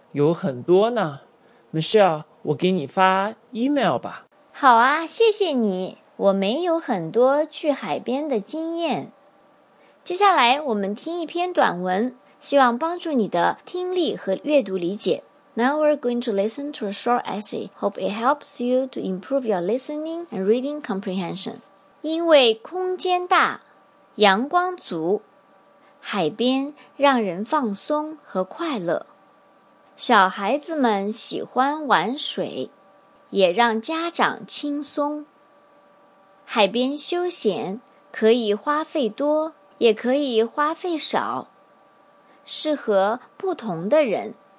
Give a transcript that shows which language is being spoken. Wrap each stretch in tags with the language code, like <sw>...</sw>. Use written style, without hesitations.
<zh>有很多呢。Michelle，我给你发 email 吧。好啊，谢谢你。我没有很多去海边的经验。接下来我们听一篇短文，希望帮助你的听力和阅读理解。</zh> <en>Now we're going to listen to a short essay. Hope it helps you to improve your listening and reading comprehension.</en> <zh>因为空间大，阳光足，海边让人放松和快乐。小孩子们喜欢玩水，也让家长轻松。海边休闲可以花费多，也可以花费少，适合不同的人。</zh>